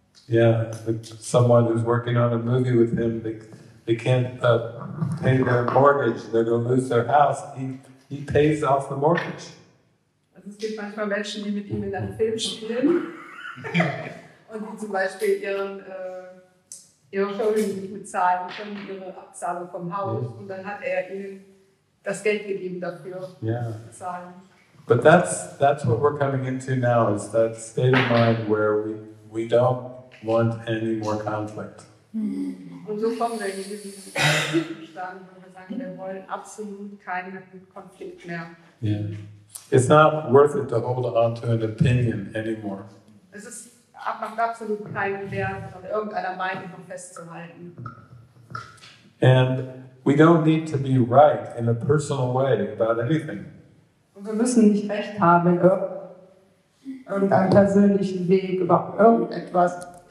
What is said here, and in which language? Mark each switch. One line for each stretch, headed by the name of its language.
English: Yeah, someone who's working on a movie with him, they can't pay their mortgage, they're going to lose their house, he pays off the mortgage.
German: Also es gibt manchmal Menschen, die mit ihm in einem Film spielen und die zum Beispiel ihre Schulden nicht bezahlen können, ihre Abzahlung vom Haus, yes. Und dann hat er ihnen das Geld gegeben dafür, yeah. zu zahlen.
English: But that's what we're coming into now, is that state of mind where we don't want any more conflict.
German: Und so kommen wir in diesen Zustand, wo wir sagen, wir wollen absolut keinen Konflikt mehr. Yeah.
English: It's not worth it to hold on to an opinion anymore.
German: Es macht absolut keinen Wert, an irgendeiner Meinung festzuhalten.
English: And we don't need to be right in a personal way about anything.
German: Und wir müssen nicht recht haben in irgendeinem persönlichen Weg über irgendetwas.